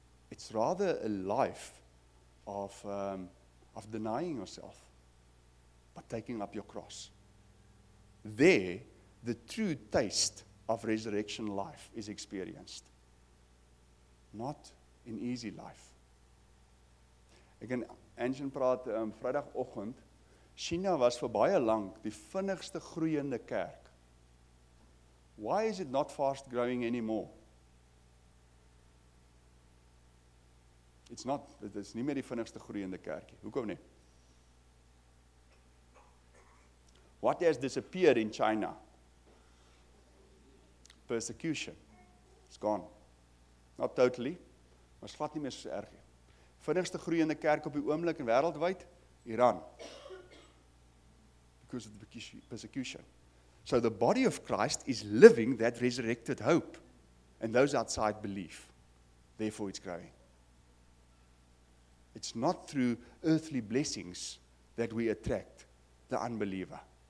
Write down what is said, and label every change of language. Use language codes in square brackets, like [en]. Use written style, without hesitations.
[en] It's rather a life of denying yourself, but taking up your cross. There, the true taste of resurrection life is experienced. Not an easy life. [af] Ek en Angie praat Vrydagoggend, China was vir baie lank die vinnigste groeiende kerk. [en] Why is it not fast growing anymore? [af] Dit is nie meer die vinnigste groeiende kerkie. Hoekom nie? [en] What has disappeared in China? Persecution. It's gone. Not totally, [af] maar slat nie meer so erg nie. Vinnigste groeiende kerk op die oomblik en wêreldwyd, Iran. [en] Because of the persecution. So the body of Christ is living that resurrected hope. And those outside believe. Therefore it's growing. It's not through earthly blessings that we attract the unbeliever.